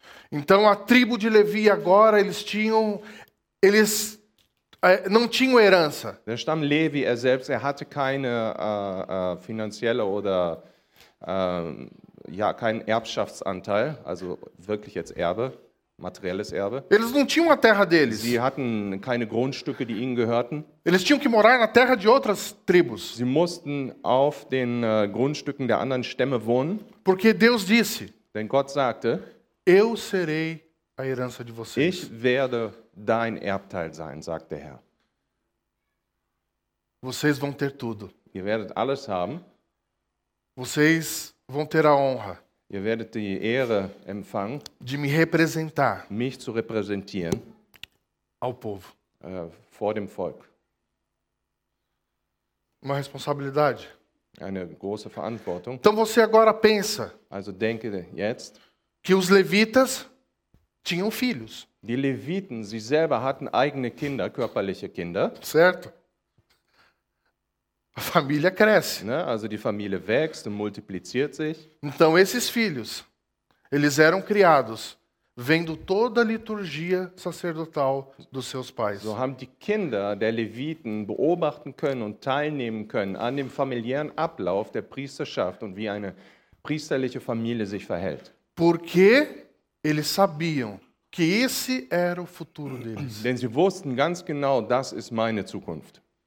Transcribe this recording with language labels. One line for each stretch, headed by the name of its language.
Portuguese: Então a tribo de Levi agora eles não tinham herança.
German: Der Stamm Levi, er selbst, er hatte keine finanzielle oder keinen Erbschaftsanteil, also wirklich jetzt Erbe. Materielles Erbe.
Portuguese: Eles não tinham a terra deles.
German: Sie hatten keine Grundstücke, die ihnen gehörten.
Portuguese: Eles tinham que morar na terra de outras tribos.
German: Sie mussten auf den Grundstücken der anderen Stämme wohnen.
Portuguese: Porque Deus disse,
German: denn Gott sagte,
Portuguese: eu serei a herança de vocês.
German: Ich werde dein Erbteil sein, sagt der Herr.
Portuguese: Vocês vão ter tudo.
German: Ihr werdet alles haben.
Portuguese: Vocês vão ter a honra.
German: Ihr werdet die Ehre empfangen,
Portuguese: de me representar,
German: mich zu repräsentieren,
Portuguese: ao povo,
German: vor dem Volk.
Portuguese: Uma responsabilidade.
German: Eine große Verantwortung.
Portuguese: Então você agora pensa,
German: also denke jetzt,
Portuguese: que os Levitas tinham filhos.
German: Die Leviten, sie selber hatten eigene Kinder, körperliche Kinder.
Portuguese: Certo. A família cresce. Ne?
German: Also die Familie wächst und multipliziert sich.
Portuguese: Então esses filhos, eles eram criados vendo toda a liturgia sacerdotal dos seus pais.
German: So haben die Kinder der Leviten beobachten können und teilnehmen können an dem familiären Ablauf der Priesterschaft und wie eine priesterliche Familie sich verhält.
Portuguese: Porque eles sabiam que esse era o futuro deles.
German: Denn sie wussten ganz genau, das ist meine Zukunft.